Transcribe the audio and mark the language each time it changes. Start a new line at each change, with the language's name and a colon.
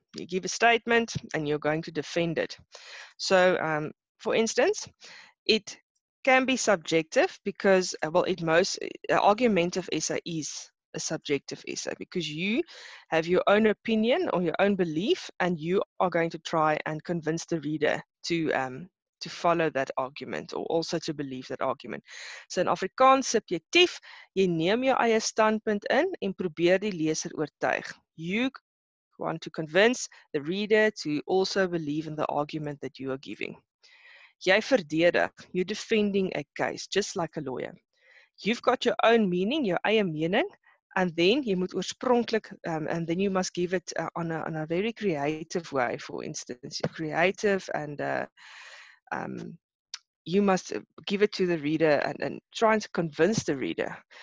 English: You give a statement and you're going to defend it. So, for instance, it can be subjective because, argumentative essay is a subjective essay because you have your own opinion or your own belief and you are going to try and convince the reader to follow that argument or also to believe that argument. So in Afrikaans
Afrikaans: subjektief, jy neem jou eie standpunt in en probeer die leser oortuig.
English: You want to convince the reader to also believe in the argument that you are giving.
Afrikaans: Jy verdedig,
English: you're defending a case, just like a lawyer. You've got your own meaning, your
Afrikaans: eie mening,
English: and then
Afrikaans: jy moet oorspronklik,
English: and then you must give it on a very creative way, for instance, creative and you must give it to the reader and try to convince the reader.